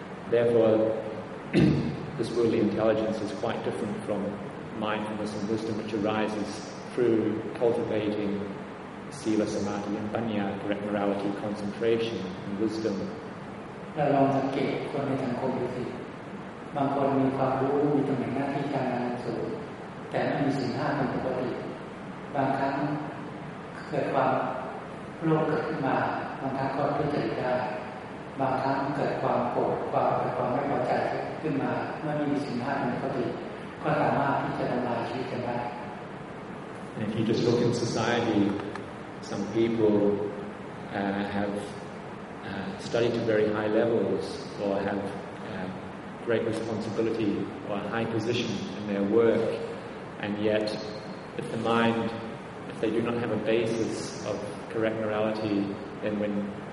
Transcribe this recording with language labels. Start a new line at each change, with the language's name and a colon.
English: Therefore, this worldly intelligence is quite different from mindfulness and wisdom, which arises through cultivating sila, samadhi, and panya, correct morality, concentration, and wisdom.
Thai: เราลองสังเกตคนในสังคมดูสิบางคนมีความรู้มีตำแหน่งหน้าที่การงานสูงแต่ไม่มีศีลห้าเป็นปกติบางครั้งเกิดความโลภเกิดขึ้นมาบางครั้งก็ทุจริตได้บางครั้งเกิดความโกรธความไม่พอใจขึ้นมาเมื่อมีศีลห้าเป็นปกติก็สามารถที่จะทำลายชีวิตได้
English: And if you just look in society, some people have studied to very high levels, or have great responsibility, or a high position in their work, and yet, if they do not have a basis of correct morality, then